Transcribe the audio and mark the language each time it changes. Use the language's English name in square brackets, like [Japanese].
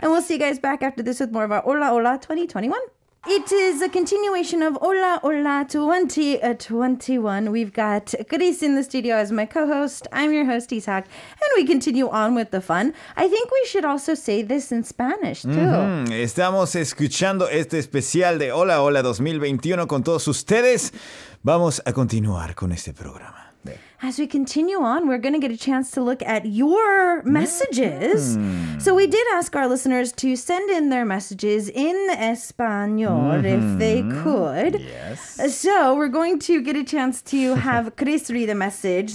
[English] And we'll see you guys back after this with more of our Hola Hola 2021. It is a continuation of Hola Hola 2021. We've got Chris in the studio as my co-host. I'm your host, Isaac. And we continue on with the fun. I think we should also say this in Spanish, too. Mm-hmm. [Spanish] Estamos escuchando este especial de Hola Hola 2021 con todos ustedes. Vamos a continuar con este programa. [English] As we continue on, we're going to get a chance to look at your messages. Mm-hmm. So we did ask our listeners to send in their messages in Espanol, mm-hmm. if they could. Yes. So we're going to get a chance to have Chris read the message.